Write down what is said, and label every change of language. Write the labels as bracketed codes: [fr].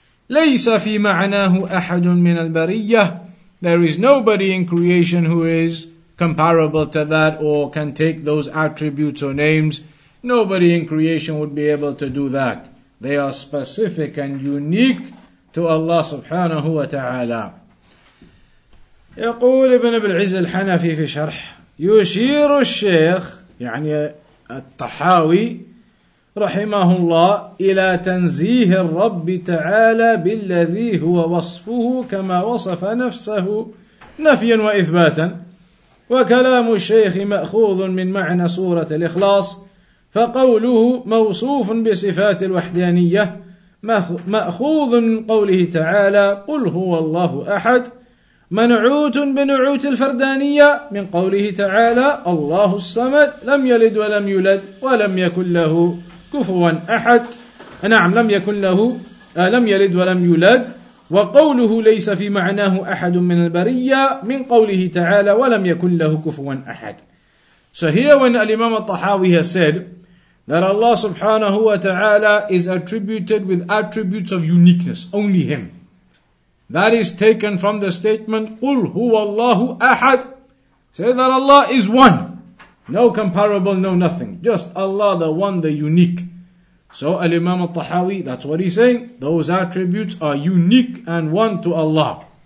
[ar] لَيْسَ فِي مَعْنَاهُ أَحَدٌ مِنَ الْبَرِيَّةِ [en] There is nobody in creation who is comparable to that or can take those attributes or names. Nobody in creation would be able to do that. They are specific and unique to Allah subhanahu wa ta'ala. [ar] يقول ابن العز الحنفي في شرح يشير الشيخ يعني الطحاوي رحمه الله إلى تنزيه الرب تعالى بالذي هو وصفه كما وصف نفسه نفيا وإثباتا وكلام الشيخ مأخوذ من معنى سورة الإخلاص فقوله موصوف بصفات الوحدانية مأخوذ من قوله تعالى قل هو الله أحد منعوت بنعوت الفردانية من قوله تعالى الله الصمد لم يلد ولم يولد ولم يكن له كفوا أحد نعم لم يكن له لم يلد ولم يولد وقوله ليس في معناه أحد من البرية من قوله تعالى ولم يكن له كفوا أحد [en] So here when الإمام الطحاوي has said that Allah subhanahu wa ta'ala is attributed with attributes of uniqueness, only Him. That is taken from the statement, [ar] قُلْ هُوَ اللَّهُ أَحَدٌ [en] Say that Allah is one. No comparable, no nothing. Just Allah, the one, the unique. So Al-Imam Al-Tahawi, that's what he's saying. Those attributes are unique and one to Allah.